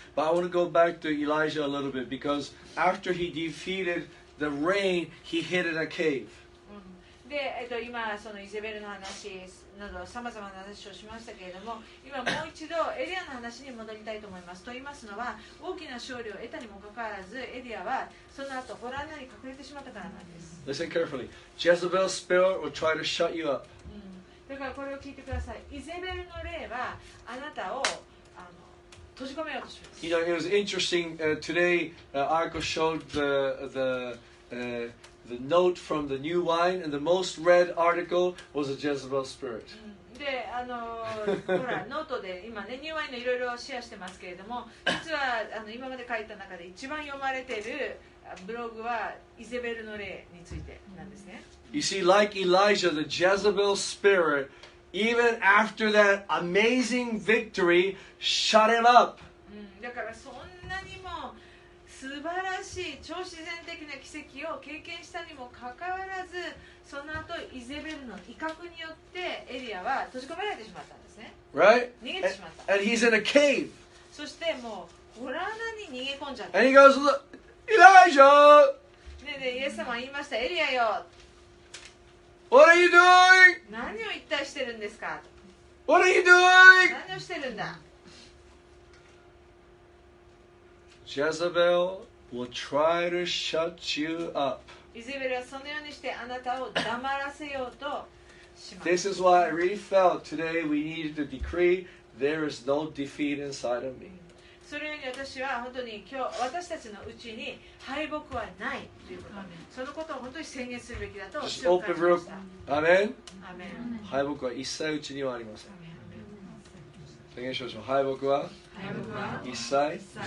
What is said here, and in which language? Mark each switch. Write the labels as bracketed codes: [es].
[en] But I want to go back to Elijah a little bit because after he defeated the rain, he hid in a cave. [ja] で、今そのイゼベルの話などさまざまな話をしましたけれども、今もう一度エリアの話に戻りたいと思います。と言いますのは、大きな勝利を得たにもかかわらず、エリアはその後ホラーなり隠れてしまったからなんです。 [en] Listen carefully. Jezebel spirit will try to shut you up. [ja] だからこれを聞いてください。イゼベルの霊はあなたを閉じ込めようとします。 [en] You know, it was interesting. Today, Arco showed the note from the new wine, and the most read article was a Jezebel spirit. [ja] で、ほら、ノートで今ね、ニューワインのいろいろシェアしてますけれども、実は今まで書いた中で一番読まれているブログはイゼベルの霊についてなんですね。 [en] You see, like Elijah, the Jezebel spirit, even after that amazing victory, shut him up. [ja] だからそんなにも素晴らしい超自然的な奇跡を経験したにもかかわらず、その後イゼベルの威嚇によってエリアは閉じ込められてしまったんですね。 [en] Right? [ja] 逃げてしまった。 [en] And he's in a cave. [ja] そしてもうホラー穴に逃げ込んじゃった。 [en] And he goes, Elijah! [ja] ねえねえ、イエス様は言いました。エリアよ。 [en] What are you doing? [ja] 何を一体してるんですか [en] ?What are you doing? [ja] 何をしてるんだ。 [en] Jezebel will try to shut you up. This is why I really felt today we needed to decree there is no defeat inside of me. [ja] それに私は本当に今日私たちのうちに敗北はないということ。そのことを本当に宣言するべきだと強く感じました。 [en] Just open up. Amen. Amen. [ja] 敗北は一切うちにはありません。宣言しましょう。敗北は一切